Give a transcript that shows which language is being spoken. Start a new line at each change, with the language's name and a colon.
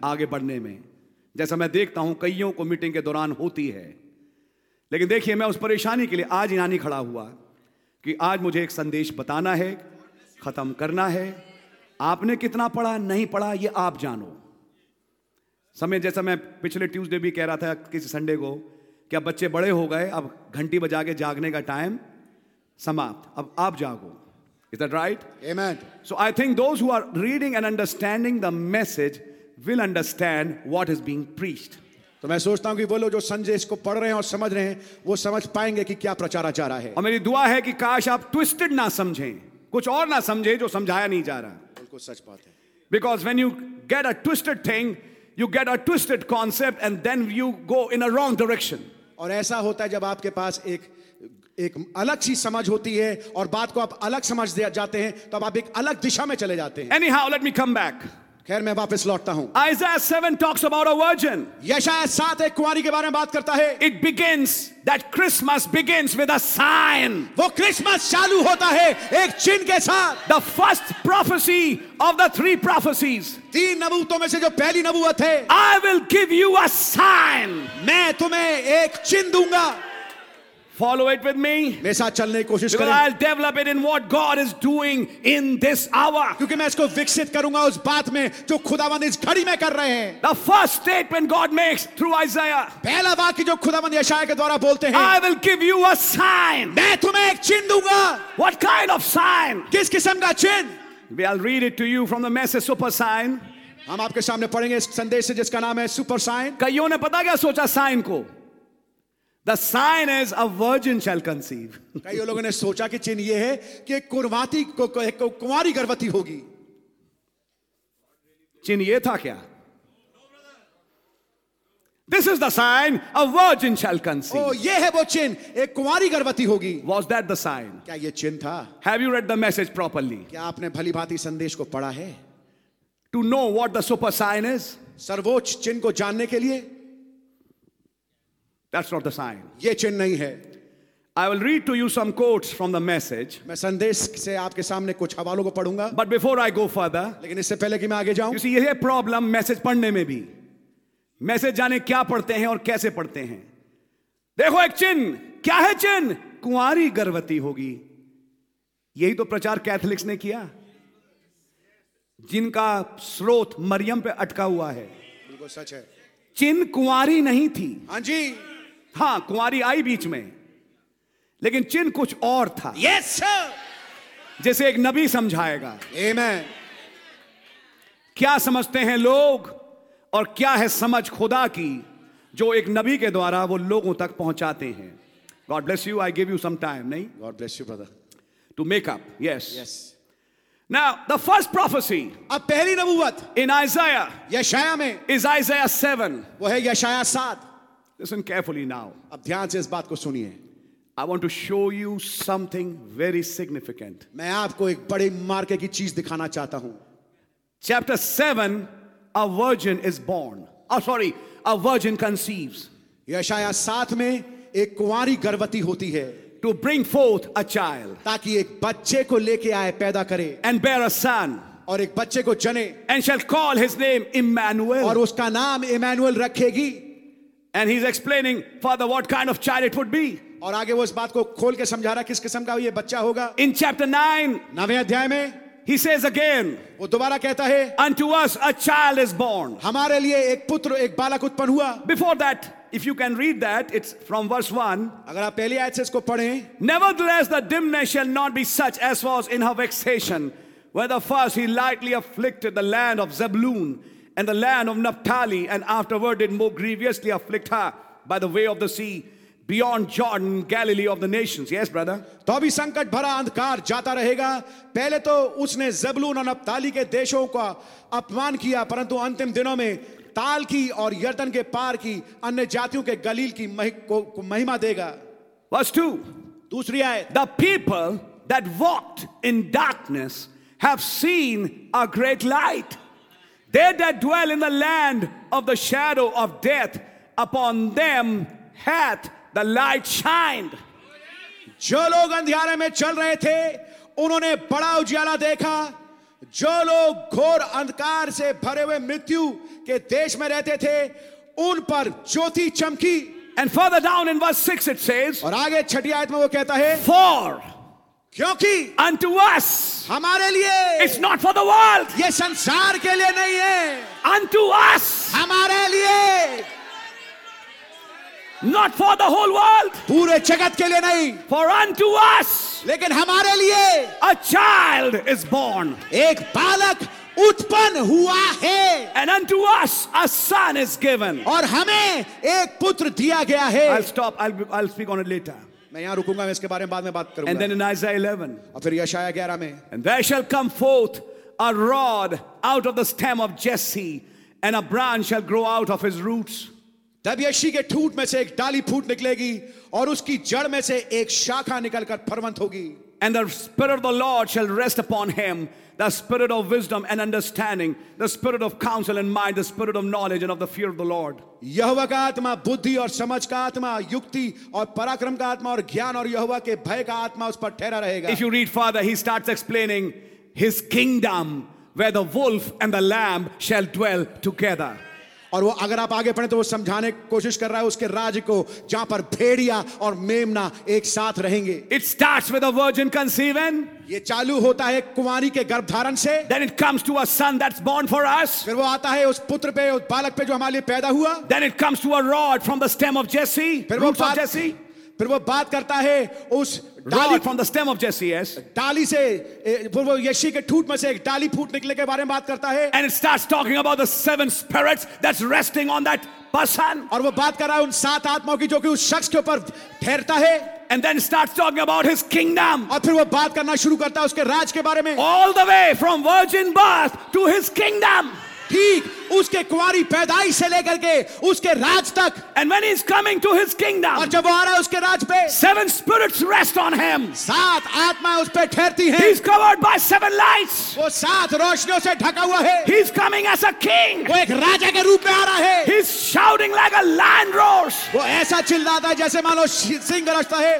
Hindi: आगे बढ़ने में जैसा मैं देखता हूं कईयों को मीटिंग के दौरान होती है लेकिन देखिए मैं उस परेशानी के लिए आज यहां नहीं खड़ा हुआ कि आज मुझे एक संदेश बताना है खत्म करना है आपने कितना पढ़ा नहीं पढ़ा ये आप जानो समय जैसा मैं पिछले ट्यूसडे भी कह रहा था किसी संडे को कि अब बच्चे बड़े हो गए अब घंटी बजा के जागने का टाइम समाप्त अब आप जागो
English: Is that right? Amen. So I think those who are reading and understanding the message will understand what is being preached.
Hindi: तो मैं सोचता हूँ कि वो लोग जो संदेश को पढ़ रहे हैं और समझ रहे हैं, वो समझ पाएंगे कि क्या प्रचारा जा रहा है। और मेरी दुआ है कि काश आप twisted ना समझें, कुछ और ना समझें जो समझाया नहीं जा रहा। बिल्कुल सच बात है।
English: Because when you get a twisted thing, you get a twisted concept, and then you go in a wrong direction.
Hindi: और ऐसा होता है जब आपके पास एक अलग सी समझ होती है और बात को आप अलग समझ जाते हैं तब आप एक अलग दिशा में चले जाते हैं
English: Anyhow, let me come back.
Hindi: खैर मैं वापस लौटता हूं.
English: Isaiah 7 talks about a virgin.
Hindi: यशायाह 7 एक कुंवारी के बारे में बात करता है.
English: It begins that Christmas begins with a sign.
Hindi: वो क्रिसमस चालू होता है एक चिन्ह के साथ.
English: The first prophecy of the three prophecies.
Hindi: तीन नबूतों में से जो पहली नबूत है.
English: I will give you a sign.
Hindi: मैं तुम्हें एक चिन्ह दूंगा.
English: Follow it with me.
Hindi: मेरे साथ चलने की कोशिश करें.
English: I'll develop it in what God is doing in this hour.
Hindi: क्योंकि मैं इसको विकसित करूंगा उस बात में जो खुदावन इस घड़ी में कर रहे हैं.
English: The first statement God makes through Isaiah.
Hindi: पहला वाक्य जो खुदावन यशायाह के द्वारा बोलते हैं.
English: I will give you a sign.
Hindi: मैं तुम्हें एक चिन्ह दूंगा.
English: What kind of sign?
Hindi: किस किस्म का चिन्ह?
English: I'll read it to you from the Message Super Sign.
Hindi: हम आपके सामने पढ़ेंगे इस संदेश से जिसका नाम है सुपर साइन. कईयों ने पता क्या सोचा साइन को?
English: The sign is a virgin shall conceive.
Hindi: कई लोगों ने सोचा कि चिन्ह यह है कि कुर्वाती को कुमारी गर्भवती होगी. चिन्ह यह था क्या?
English: This is the sign a virgin shall conceive.
Hindi: Oh, ये है वो चिन्ह, एक कुमारी गर्भवती होगी.
English: Was that the sign?
Hindi: क्या ये चिन्ह था?
English: Have you read the message properly?
Hindi: क्या आपने भली भांति संदेश को पढ़ा है?
English: To know what the super sign is?
Hindi: सर्वोच्च चिन्ह को जानने के लिए?
English: That's not the sign.
Hindi: ये चिन्ह नहीं है.
English: I will read to you some quotes from the message.
Hindi: मैं संदेश से आपके सामने कुछ हवालों को पढ़ूंगा.
English: But before I go further,
Hindi: लेकिन इससे पहले कि मैं आगे जाऊं,
English: you see,
Hindi: ये problem message पढ़ने में भी. Message जाने क्या पढ़ते हैं और कैसे पढ़ते हैं. देखो एक चिन्ह. क्या है चिन्ह? कुंवारी गर्भवती होगी. यही तो प्रचार कैथलिक्स ने किया, जिनका स्रोत मरियम पे अटका हुआ है. बिल्कुल सच है. चिन्ह कुंवारी नहीं थी. हाँ जी, हाँ, कुंवारी आई बीच में, लेकिन चिन्ह कुछ और था. यस सर, जैसे एक नबी समझाएगा. आमीन. क्या समझते हैं लोग और क्या है समझ खुदा की जो एक नबी के द्वारा वो लोगों तक पहुंचाते हैं.
English: God bless you. I give you some time.
Hindi: नहीं,
English: God bless you brother to make up. Yes yes. Now, the first prophecy
Hindi: अब पहली नबूवत
English: in Isaiah
Hindi: यशाया में
English: is Isaiah 7.
Hindi: वो है यशाया 7.
English: Listen carefully now.
Hindi: अब ध्यान से इस बात को सुनिए.
English: I want to show you something very significant.
Hindi: मैं आपको एक बड़े मार्के की चीज दिखाना चाहता हूं.
English: Chapter 7, a virgin is born. Oh, sorry, a virgin conceives.
Hindi: यशाया 7 में एक कुंवारी गर्भवती होती है.
English: To bring forth a child.
Hindi: ताकि एक बच्चे को लेके आए, पैदा करे.
English: And bear a son.
Hindi: और एक बच्चे को जने.
English: And shall call his name Emmanuel.
Hindi: और उसका नाम इमैनुअल रखेगी.
English: And he's explaining further what kind of child it would be.
Hindi: और आगे वो इस बात को खोल के समझा रहा किस किस्म का ये बच्चा होगा.
English: In chapter 9,
Hindi: नवे अध्याय में,
English: he says again,
Hindi: वो दोबारा कहता है,
English: unto us a child is born.
Hindi: हमारे लिए एक पुत्र, एक बालक उत्पन्न हुआ.
English: Before that, if you can read that, it's from verse 1.
Hindi: अगर आप पहली आयत से इसको पढ़ें,
English: nevertheless the dimness shall not be such as was in her vexation, where the first he lightly afflicted the land of Zebulun and the land of Naphtali, and afterward did more grievously afflict her by the way of the sea, beyond Jordan, Galilee of the nations. Yes, brother.
Hindi: तो अभी संकट भरा अंधकार जाता रहेगा. पहले तो उसने जबलून और नप्ताली के देशों का अपमान किया, परंतु अंतिम दिनों में ताल की और यर्दन के पार की अन्य जातियों के गलील की महिमा देगा.
English: Verse 2.
Hindi: दूसरी आए.
English: The people that walked in darkness have seen a great light. They that dwell in the land of the shadow of death, upon them hath the light shined.
Hindi: जो लोग अंधियारे में चल रहे थे उन्होंने बड़ा उजियाला देखा. जो लोग घोर अंधकार से भरे हुए मृत्यु के देश में रहते थे उन पर ज्योति चमकी.
English: And further down in verse 6 it says,
Hindi: और आगे छठी आयत में वो कहता है,
English: For
Hindi: क्योंकि
English: unto us,
Hindi: हमारे लिए,
English: it's not for the world,
Hindi: ये संसार के लिए नहीं है,
English: unto us,
Hindi: हमारे लिए,
English: not for the whole world,
Hindi: पूरे जगत के लिए नहीं,
English: for unto us,
Hindi: लेकिन हमारे लिए,
English: a child is born,
Hindi: एक बालक उत्पन्न हुआ है,
English: and unto us a son is given,
Hindi: और हमें एक पुत्र दिया गया है.
English: I'll stop. I'll speak on it later.
Hindi: यहां रुकूंगा, मैं इसके बारे में बाद में बात करूंगा.
English: And then in Isaiah 11,
Hindi: और फिर यशाया 11 में,
English: and there shall come forth a rod out of the stem of Jesse, and a branch shall grow out of his roots.
Hindi: तब यशी के ठूंठ में से एक डाली फूट निकलेगी और उसकी जड़ में से एक शाखा निकलकर फरवंत होगी.
English: And the Spirit of the Lord shall rest upon him, the Spirit of wisdom and understanding, the Spirit of counsel and mind, the Spirit of knowledge and of the fear of the Lord.
Hindi: यहोवा का आत्मा बुद्धि और समझ का आत्मा, युक्ति और पराक्रम का आत्मा और ज्ञान और यहोवा के भय का आत्मा उस पर ठहरा रहेगा.
English: If you read further, he starts explaining his kingdom where the wolf and the lamb shall dwell together.
Hindi: और वो अगर आप आगे पढ़े तो वो समझाने की कोशिश कर रहा है उसके राज्य को जहां पर भेड़िया और मेमना एक साथ रहेंगे.
English: It starts with a virgin conceiving.
Hindi: ये चालू होता है कुमारी के गर्भधारण से.
English: Then it comes to a son that's born for us.
Hindi: फिर वो आता है उस पुत्र पे, उस बालक पे जो हमारे लिए पैदा हुआ.
English: Then it comes to a rod from the stem of Jesse.
Hindi: फिर वो बात करता है उस डाली,
English: from the stem of Jesse, yes.
Hindi: डाली से, वो यशी के ठूट में से एक डाली फूट निकले के बारे में बात करता है.
English: And it starts talking about the seven spirits that's resting on that person.
Hindi: और वो बात कर रहा है उन सात आत्माओं की जो कि उस शख्स के ऊपर ठहरता है.
English: And then starts talking about his kingdom.
Hindi: और फिर वो बात करना शुरू करता है उसके राज के बारे में.
English: All the way from virgin birth to his kingdom.
Hindi: ठीक उसके कुंवारी पैदाई से लेकर के उसके राज तक.
English: And when he is coming to his kingdom,
Hindi: और जब वो आ रहा है उसके राज पे,
English: seven spirits rest on him.
Hindi: सात आत्माएं उस पे ठहरती हैं.
English: He is covered by seven lights.
Hindi: वो सात रोशनियों से ढका हुआ है.
English: He is coming as a king.
Hindi: वो एक राजा के रूप में आ रहा है.
English: He is shouting like a lion roars.
Hindi: वो ऐसा चिल्लाता है जैसे मानो सिंह गरजता है.